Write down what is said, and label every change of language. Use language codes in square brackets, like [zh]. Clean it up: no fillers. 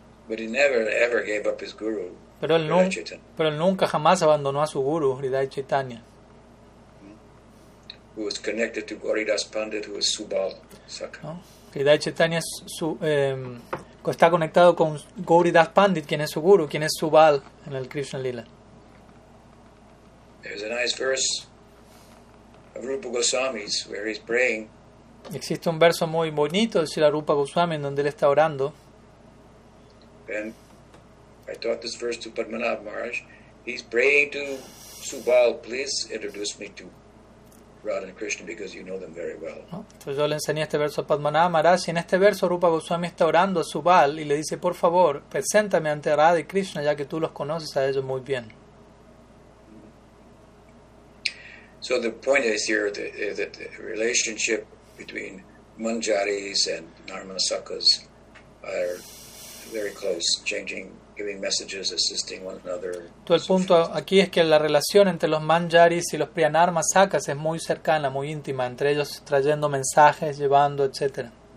[en] But he never ever gave up his guru. [es] Pero él nunca jamás abandonó a su guru Hriday Chaitanya. [en] Who was connected to Gauridas Pandit, who was Subal Sakha. [es] ¿No? Hriday Chaitanya está conectado con Gauridas Pandit, quien es su guru, quien es Subal en el Krishna Lila. [en] There's a nice verse. Rupa Goswami's, where he's praying. [es] Existe un verso muy bonito de Sri Rupa Goswami en donde él está orando. [en] And I taught this verse to Padmanabh Maharaj. He's praying to Subal, please introduce me to Radha and Krishna because you know them very well. [es] Entonces yo le enseñé este verso a Padmanabh Maharaj y en este verso Rupa Goswami está orando a Subal y le dice, por favor, preséntame ante Radha y Krishna ya que tú los conoces a ellos muy bien. [en] So the point is here that the relationship between manjaris and narmasakas are very close, changing, giving messages, assisting one another. [es] Todo el punto aquí es que la relación entre los manjaris y los priyanarmasakas es muy cercana, muy íntima, entre ellos trayendo mensajes, llevando, etc.